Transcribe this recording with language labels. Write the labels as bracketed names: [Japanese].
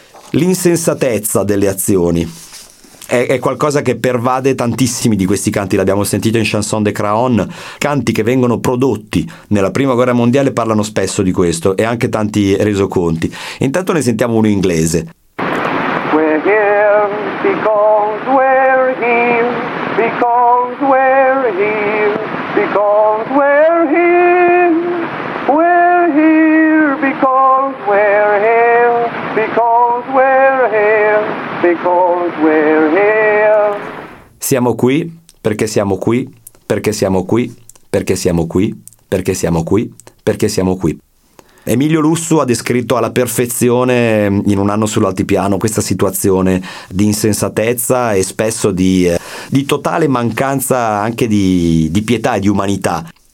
[Italian] L'insensatezza delle azioni è qualcosa che pervade tantissimi di questi canti, l'abbiamo sentito in Chanson de Craon. Canti che vengono prodotti nella Prima Guerra Mondiale parlano spesso di questo, e anche tanti resoconti. Intanto ne sentiamo uno in inglese. [English] We're here because we're here, because we're here, because we're here. We're here because we're here, because we're here, because we're here. [Italian] Siamo qui perché siamo qui, perché siamo qui, perché siamo qui, perché siamo qui, perché siamo qui. Emilio Lussu ha descritto alla perfezione in Un anno sull'altipiano questa situazione di insensatezza e spesso di totale mancanza anche di pietà e di umanità.